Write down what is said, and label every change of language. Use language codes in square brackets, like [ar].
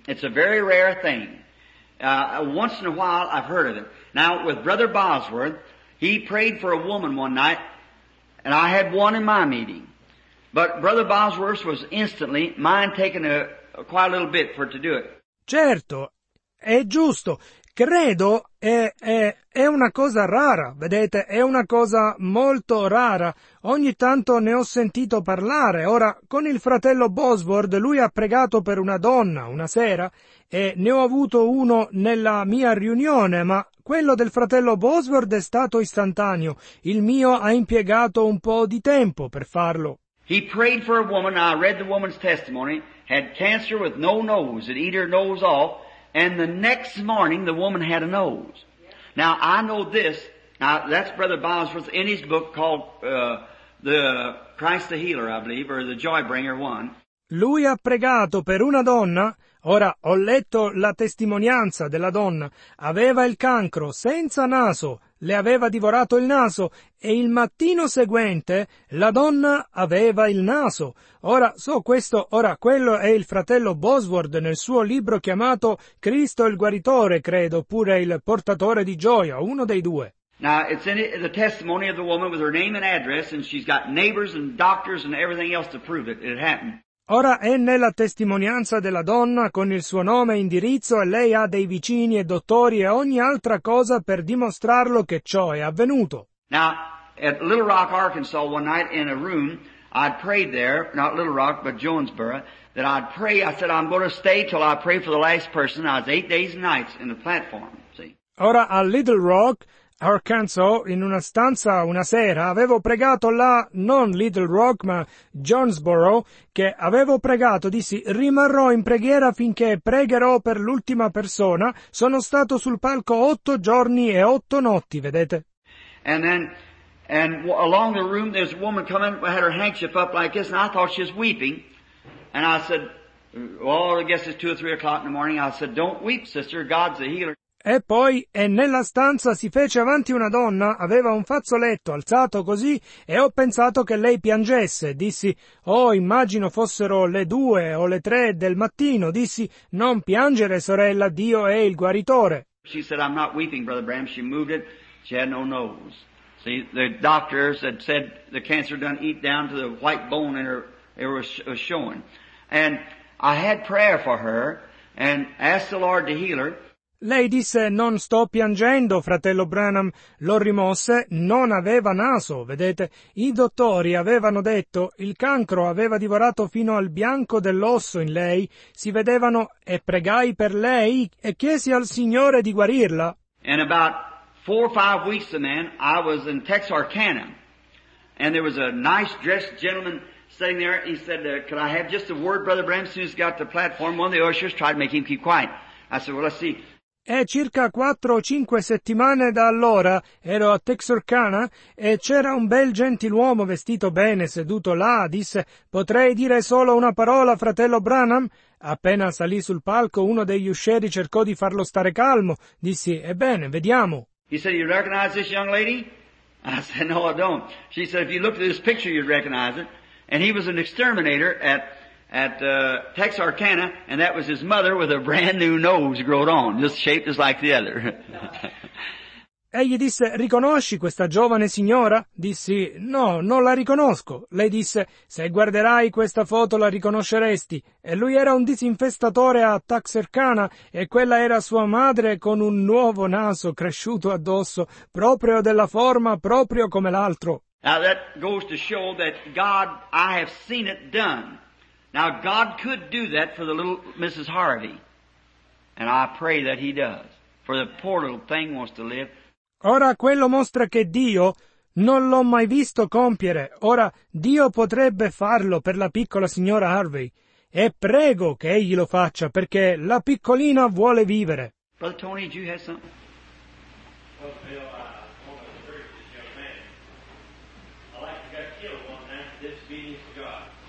[en] It's a very rare thing. Once in a while, I've heard of it. Now, with Brother Bosworth, he prayed for a woman one night, and I had one in my meeting. But Brother Bosworth was instantly, mine taken quite a little bit for it to do it. [it] Certo, è giusto. Credo è una cosa rara, vedete, è una cosa molto rara. Ogni tanto ne ho sentito parlare. Ora, con il fratello Bosworth, lui ha pregato per una donna una sera e ne ho avuto uno nella mia riunione, ma quello del fratello Bosworth è stato istantaneo. Il mio ha impiegato un po' di tempo per farlo. [en] He prayed for a woman, I read the woman's testimony, had cancer with no nose, it eat her nose off. And the next morning, the woman had a nose. Now, I know this. Now, that's Brother Bosworth in his book called The Christ the Healer, I believe, or The Joy Bringer One. [it] Lui ha pregato per una donna. Ora, ho letto la testimonianza della donna. Aveva il cancro, senza naso. Le aveva divorato il naso. E il mattino seguente, la donna aveva il naso. Ora, so questo. Ora, quello è il fratello Bosworth nel suo libro chiamato Cristo il Guaritore, credo, oppure il Portatore di Gioia, uno dei due. [en] Now, it's in the testimony of the woman with her name and address, and she's got neighbors and doctors and everything else to prove it. It happened. [it] Ora è nella testimonianza della donna con il suo nome e indirizzo e lei ha dei vicini e dottori e ogni altra cosa per dimostrarlo che ciò è avvenuto. [en] Now, at Little Rock, Arkansas, one night in a room, I'd prayed there, not Little Rock, but Jonesboro, that I'd pray, I said, I'm going to stay till I pray for the last person. I was 8 days and nights in the platform, see. [it] Ora a Little Rock, Arkansas, in una stanza una sera, avevo pregato là, non Little Rock, ma Jonesboro, che avevo pregato, dissi, rimarrò in preghiera finché pregherò per l'ultima persona. Sono stato sul palco 8 giorni e 8 notti, vedete? [en] And then, and along the room, there's a woman coming, had her handkerchief up like this, and I thought she was weeping. And I said, well, I guess it's 2 or 3 o'clock in the morning. I said, don't weep, sister, God's a healer. [it] E poi, e nella stanza si fece avanti una donna, aveva un fazzoletto alzato così, e ho pensato che lei piangesse. Dissi, oh, immagino fossero le 2 o le 3 del mattino. Dissi, non piangere, sorella, Dio è il guaritore. [en] She said, I'm not weeping, Brother Bram. She moved it. She had no nose. See, the doctors had said the cancer done eat down to the white bone in her, it was showing. And I had prayer for her and asked the Lord to heal her. [it] Lei disse, non sto piangendo, fratello Branham, l'ho rimosse, non aveva naso, vedete, i dottori avevano detto, il cancro aveva divorato fino al bianco dell'osso in lei, si vedevano e pregai per lei e chiesi al Signore di guarirla. [en] And about 4 or 5 weeks from then, I was in Texarkana, and there was a nice dressed gentleman sitting there, he said, could I have just a word, brother Branham, soon as he got to the platform, one of the ushers tried to make him keep quiet. I said, well, let's see. [it] E circa 4 o 5 settimane da allora ero a Texarkana e c'era un bel gentiluomo vestito bene seduto là, disse, potrei dire solo una parola, fratello Branham? Appena salì sul palco uno degli usceri cercò di farlo stare calmo, dissi, ebbene, vediamo. [en] He said, you recognize this young lady? I said, no, I don't. She said, if you looked at this picture, you'd recognize it. And he was an exterminator at Texarkana, and that was his mother with a brand new nose growed on, just shaped just like the other. [it] Egli disse, riconosci questa giovane signora? Dissi, no, non la riconosco. Lei disse, se guarderai questa foto la riconosceresti. E lui era un disinfestatore a Texarkana, e quella era sua madre con un nuovo naso cresciuto addosso, proprio della forma, proprio come l'altro. [en] Now that goes to show that God, I have seen it done. Now, God could do that for the little Mrs. Harvey, and I pray that he does, for the poor little thing wants to live. [it] Ora, quello mostra che Dio non l'ho mai visto compiere. Ora, Dio potrebbe farlo per la piccola signora Harvey, e prego che egli lo faccia, perché la piccolina vuole vivere. [en] Brother Tony, did you have something? Well, Bill, I want to encourage this young man. I like to get killed one time, disobedience to God.